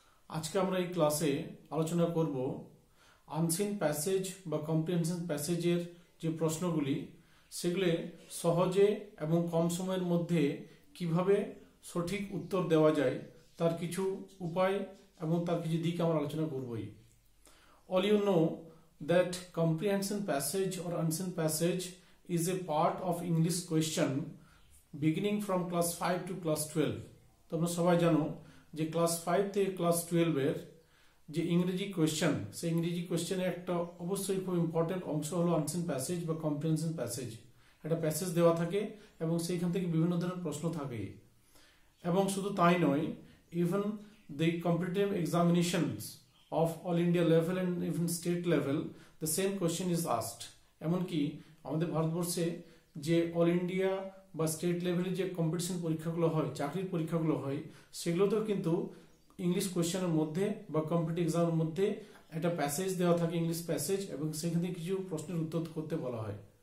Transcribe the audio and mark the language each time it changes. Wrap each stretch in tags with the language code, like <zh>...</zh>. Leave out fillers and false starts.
<bn>Aajke amra ei class e alochona korbo unseen passage ba comprehension passage er je proshno guli segule sohoje ebong kom shomoyer moddhe kibhabe shothik uttor dewa jay তার কিছু উপায় এবং তার কিছু দিক আমরা আলোচনা করবই।</bn> <en>All you know that comprehension passage or unseen passage is a part of English question beginning from class five to class twelve.</en> <bn>তোমরা সবাই জানো যে ক্লাস ফাইভ থেকে ক্লাস টুয়েলভের যে ইংরেজি কোয়েশ্চন, সেই ইংরেজি কোয়েশ্চেনের একটা অবশ্যই খুব ইম্পর্টেন্ট অংশ হলো আনসিন প্যাসেজ বা কম্প্রিহেনশন প্যাসেজ। একটা প্যাসেজ দেওয়া থাকে এবং সেইখান থেকে বিভিন্ন ধরনের প্রশ্ন থাকে, এবং শুধু তাই নয়,</bn> <en>even the competitive examinations of all India level and even state level, the same question is asked.</en> <bn>এমন কি আমাদের ভারতবর্ষে যে অল ইন্ডিয়া বা স্টেট লেভেলের যে কম্পিটিশন পরীক্ষাগুলো হয়, চাকরির পরীক্ষাগুলো হয়, সেগুলোতেও কিন্তু ইংলিশ কোয়েশ্চেনের মধ্যে বা কম্পিটিভ এক্সামের মধ্যে একটা প্যাসেজ দেওয়া থাকে, ইংলিশ প্যাসেজ, এবং সেখানে কিছু প্রশ্নের উত্তর করতে বলা হয়।</bn>